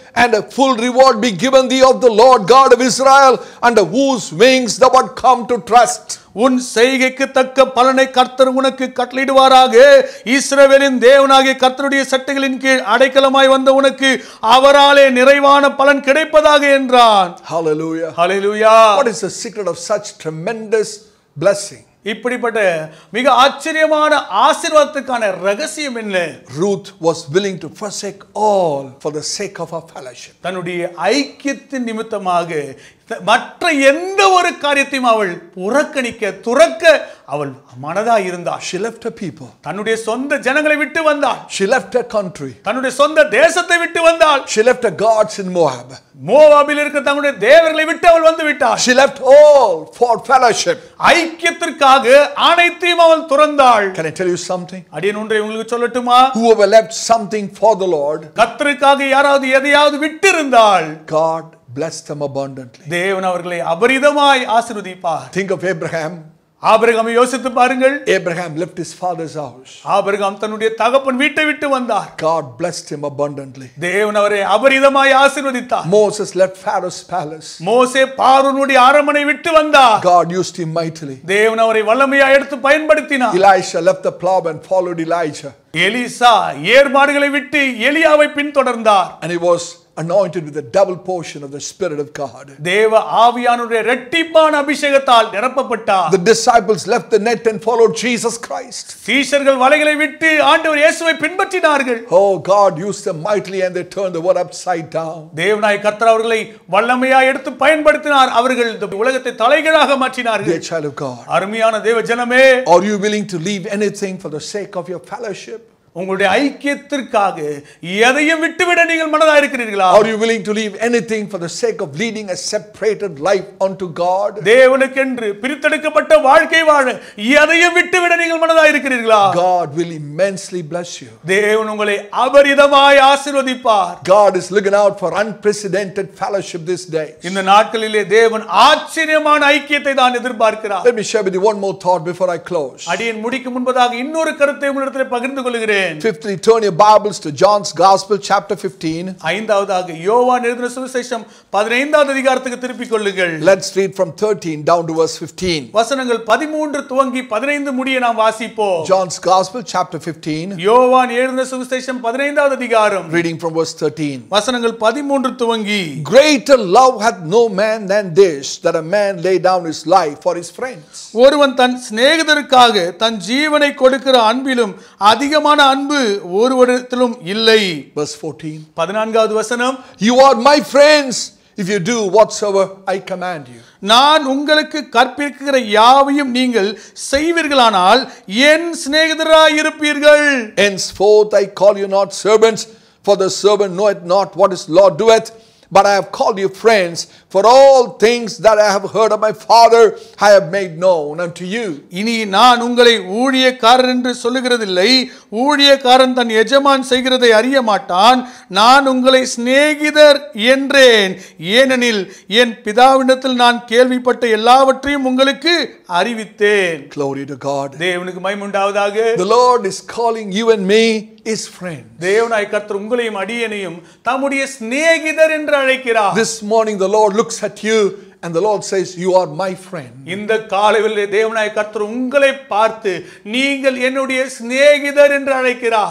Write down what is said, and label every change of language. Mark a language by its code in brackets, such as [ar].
[en] and a full reward be given thee of the Lord God of Israel, under whose wings thou art come to trust. [ta] உன் செய்கைக்கு தக்க பலனை கர்த்தர் உனக்கு கட்டளையிடுவாராக. இஸ்ரவேலின் தேவனாகிய கர்த்தருடைய சட்டங்களின் கீழ் அடைக்கலமாய் வந்த உனக்கு அவராலே நிறைவான பலன் கிடைப்பதாக என்றான். ஹல்லேலூயா, ஹல்லேலூயா. [en] What is the secret of such tremendous blessing? [ta] இப்படிப்பட்ட மிக ஆச்சரியமான ஆசீர்வாதத்துக்கான ரகசியம் என்ன? [en] Ruth was willing to forsake all for the sake of her fellowship. [ta] தன்னுடைய ஐக்கியத்தின் நிமித்தமாக மற்ற எந்த ஒரு காரியத்தையும் அவள் புறக்கணிக்க துறக்க அவள் மனதாய் இருந்தாள். [en] She left her people. [ta] தன்னுடைய சொந்த ஜனங்களை விட்டு வந்தாள். [en] She left her country. [ta] தன்னுடைய சொந்த தேசத்தை விட்டு வந்தாள். [en] She left her gods in Moab. [ta] மோவாபில் இருக்க தன்னுடைய தேவர்களை விட்டு அவள் வந்து விட்டாள். [en] She left all for fellowship. [ta] ஐக்கியத்திற்காக அனைத்தையும் அவள் துறந்தாள். [en] Can I tell you something? [ta] அடியேன் ஒன்றை உங்களுக்கு சொல்லட்டுமா? [en] Whoever left something for the Lord. [ta] கர்த்தருக்காக யாராவது எதையாவது விட்டிருந்தால் [en] God bless them abundantly. [ta] தேவன் அவர்களை அபரிதமாய் ஆசீர்வதிப்பார். [en] Think of Abraham. [ta] ஆபிரகாமை யோசித்து பாருங்கள். [en] Abraham left his father's house. [ta] Abraham தன்னுடைய தகப்பன் வீட்டை விட்டு வந்தார். [en] God blessed him abundantly. [ta] தேவன் அவரை அபரிதமாய் ஆசீர்வதித்தார். [en] Moses left Pharaoh's palace. [ta] மோசே பார்வோனுடைய அரமனை விட்டு வந்தார். [en] God used him mightily. [ta] தேவன் அவரை வல்லமையாய் எடுத்து பயன்படுத்தினார். [en] Elijah left the plow and followed Elijah. [ta] Elisha ஏர்மாடுகளை விட்டு எலியாவை பின்தொடர்ந்தார். [en] And he was anointed with a double portion of the spirit of God. [ta] தேவ ஆவியானவருடைய இரட்டிப்பான அபிஷேகத்தால் நிரப்பப்பட்டார். [en] The disciples left the net and followed Jesus Christ. [ta] சீஷர்கள் வலைகளை விட்டு ஆண்டவர் இயேசுவை பின்பற்றினார்கள். [en] Oh God used them mightily and they turned the world upside down. [ta] தேவனாய் கர்த்தர் அவர்களை வல்லமையாய் எடுத்து பயன்படுத்தினார். அவர்கள் இந்த உலகத்தை தலைகீழாக மாற்றினார்கள். [en] Dear child of God. [ta] அருமையான தேவ ஜனமே. [en] Are you willing to leave anything for the sake of your fellowship? [ta] உங்களுடைய ஐக்கியத்திற்காக எதையும் விட்டுவிட நீங்கள் மனதா இருக்கிறீர்களா? [en] Are you willing to leave anything for the sake of leading a separated life unto God? [ta] தேவனுக்கென்று பிரித்தெடுக்கப்பட்ட வாழ்க்கை வாழ எதையும் விட்டுவிட நீங்கள் மனதா இருக்கிறீர்களா? [en] God will immensely bless you. [ta] தேவன் உங்களை அபரிதமாய் ஆசீர்வதிப்பார். [en] God is looking out for unprecedented fellowship this day. [ta] இந்த நாட்களிலே தேவன் ஆச்சரியமான ஐக்கியத்தை தான் எதிர்பார்க்கிறார். [en] Let me share with you one more thought before I close. [ta] அடியேன் முடிக்கும் முன்பதாக இன்னொரு கருத்தை உங்களிடத்தில் பகிர்ந்து கொள்கிறேன். [en] Fifthly, turn your Bibles to John's Gospel, chapter 15. [ta] ஐந்தாவதாக யோவான் எழுதின சுவிசேஷம் 15வது அதிகாரத்துக்கு திருப்பிக் கொள்ளுங்கள். [en] Let's read from 13 down to verse 15. [ta] வசனங்கள் 13 துவங்கி 15 முடிய நாம் வாசிப்போம். [en] John's Gospel, chapter 15. [ta] யோவான் எழுதின சுவிசேஷம் 15வது அதிகாரம். [en] Reading from verse 13. [ta] வசனங்கள் 13 துவங்கி. [en] Greater love hath no man than this, that a man lay down his life for his friends. [ta] ஒருவன் தன் சிநேகிதருக்காக தன் ஜீவனை கொடுக்கிற அன்பிலும் அதிகமான அன்பு ஒருவரிடத்திலும் இல்லை. [en] Verse 14. [ta] 14வது வசனம். [en] You are my friends if you do whatsoever I command you. [ta] நான் உங்களுக்கு கற்பிக்கிற யாவையும் நீங்கள் செய்வீர்களானால் என் சிநேகிதராய் இருப்பீர்கள். [en] Henceforth I call you not servants, for the servant knoweth not what his lord doeth. But I have called you friends, for all things that I have heard of my Father, I have made known unto you. [ta] இனி நான் உங்களை ஊழியக்காரர் என்று சொல்லுகிறதில்லை. ஊழியக்காரன் தன் எஜமான் செய்கிறதை அறிய மாட்டான். நான் உங்களை சிநேகிதர் என்றேன், ஏனெனில் என் பிதாவினிடத்தில் நான் கேள்விப்பட்ட எல்லாவற்றையும் உங்களுக்கு அறிவித்தேன். [en] Glory to God. [ta] தேவனுக்கு மகிமை உண்டாவதாக. [en] The Lord is calling you and me his friends. [ta] தேவனாய் கர்த்தர் உங்களையும் அடியேனையும் தம்முடைய சிநேகிதர் என்று அழைக்கிறார். [en] This morning the Lord looks at you and the Lord says, you are my friend. [ta] இந்த காலையிலே தேவனாய் கர்த்தர் உங்களை பார்த்து நீங்கள் என்னுடைய சிநேகிதர் என்று அழைக்கிறார்.